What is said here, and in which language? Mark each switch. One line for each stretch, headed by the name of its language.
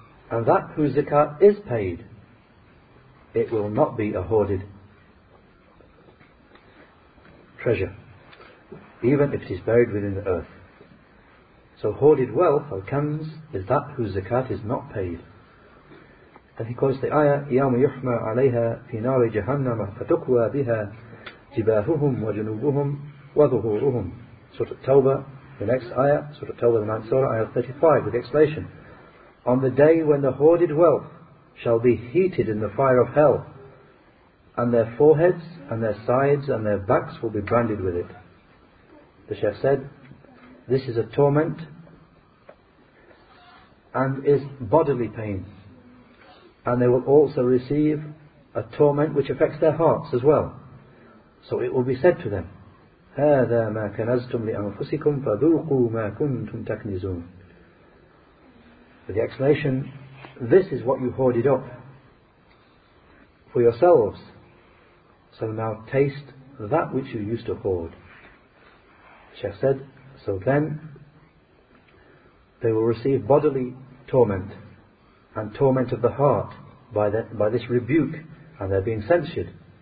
English: And that whose zakat is paid, it will not be a hoarded treasure, even if it is buried within the earth. So hoarded wealth, or kams, is that whose zakat is not paid. And he quotes the ayah,
Arabic: يَوْمَ يُحْمَى عَلَيْهَا فِي نَارِ جَهَنَّمَ فَتُكْوَى بِهَا جِبَاهُهُمْ وَجُنُوبُهُمْ وَظُهُورُهُمْ.
English: Surah At-Tawbah, the next ayah, Surah At-Tawbah, the 9th Surah, ayah 35, with the explanation. On the day when the hoarded wealth shall be heated in the fire of hell, and their foreheads and their sides and their backs will be branded with it. The Shaykh said, this is a torment and is bodily pain. And they will also receive a torment which affects their hearts as well. So it will be said to them,
Arabic: هَذَا مَا كَنَزْتُمْ لِأَنفُسِكُمْ فَذُوقُوا مَا كُنْتُمْ تَكْنِزُونَ.
English: The explanation, this is what you hoarded up for yourselves, so now taste that which you used to hoard. Shaykh said, so then they will receive bodily torment and torment of the heart by this rebuke, and they're being censured.